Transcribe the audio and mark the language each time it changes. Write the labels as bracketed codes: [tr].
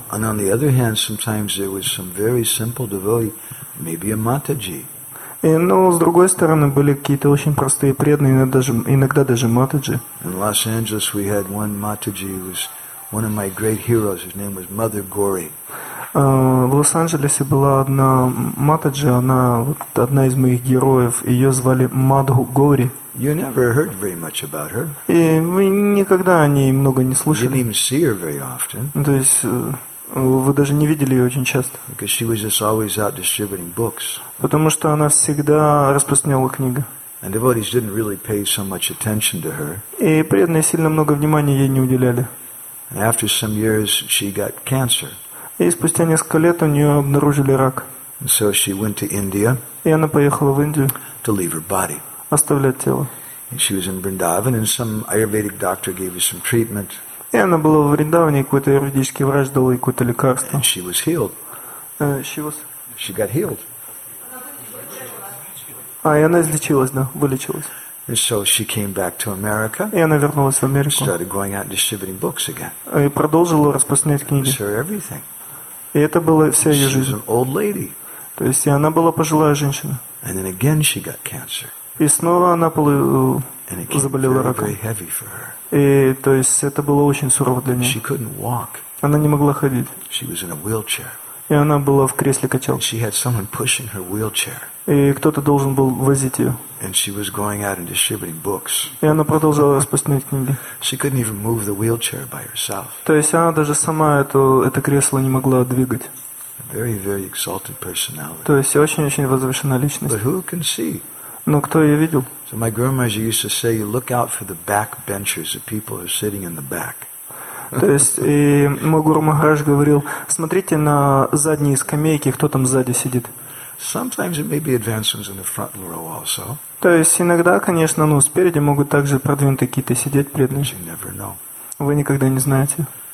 [en] And on the other hand, sometimes there was some very simple devotee, maybe a Mataji. [ru] Но с другой стороны, были какие-то очень простые преданные, иногда даже Матаджи. [en] In Los Angeles we had one Mataji who was one of my great heroes. His name was Mother Gauri. [ru] В Лос-Анджелесе была одна Матаджи, она вот одна из моих героев, ее звали Мадху Гори. [en] You never heard very much about her. [ru] И вы никогда о ней много не слышали. [en] You didn't even see her very often. [ru] То есть вы даже не видели ее очень часто. [en] Because she was just always out distributing books. [ru] Потому что она всегда распространяла книги. [en] And devotees didn't really pay so much attention to her. [ru] И преданные сильно много внимания ей не уделяли. [en] And after some years, she got cancer. [ru] И спустя несколько лет у нее обнаружили рак. [en] And so she went to India. [ru] И она поехала в Индию. [en] To leave her body. [ru] Оставлять тело. [en] And she was in Vrindavan, and some Ayurvedic doctor gave her some treatment. [ru] И она была в Вриндаване, и какой-то юридический врач дал ей какое-то лекарство. [en] And she was healed. She got healed. [ru] А, и она излечилась, да, вылечилась. [en] And so she came back to America. [ru] И она вернулась в Америку. [en] Started going out distributing books again. [ru] И продолжила распространять книги. [en] It was her everything. [ru] И это была вся ее жизнь. [en] She was an old lady. [ru] То есть, и она была пожилая женщина. [en] And then again she got cancer. [ru] И снова она заболела раком. [en] Very heavy for her. [ru] И, то есть, это было очень сурово для нее. [en] She couldn't walk. [ru] Она не могла ходить. [en] She was in a wheelchair. [ru] И она была в кресле-качалке. [en] And she had someone pushing her wheelchair. [ru] И кто-то должен был возить ее. [en] And she was going out and distributing books. [ru] И она продолжала распространять книги. [en] She couldn't even move the wheelchair by herself. [ru] То есть, она даже сама это кресло не могла двигать. [en] A very, very exalted personality. [ru] То есть, очень-очень возвышенная личность. [en] But who can see? [ru] Но кто ее видел? [en] So my grandmother used to say, "You look out for the back benches, the people who are sitting in the back." [ru] То есть, и мой гуру Махарадж говорил: "Смотрите на задние скамейки, кто там сзади сидит." [en] Sometimes it may be advanced ones in the front row also. [ru] То есть, иногда, конечно, ну, спереди могут также продвинутые какие-то сидеть преданные. [en] You never know. [ru] Вы никогда не знаете.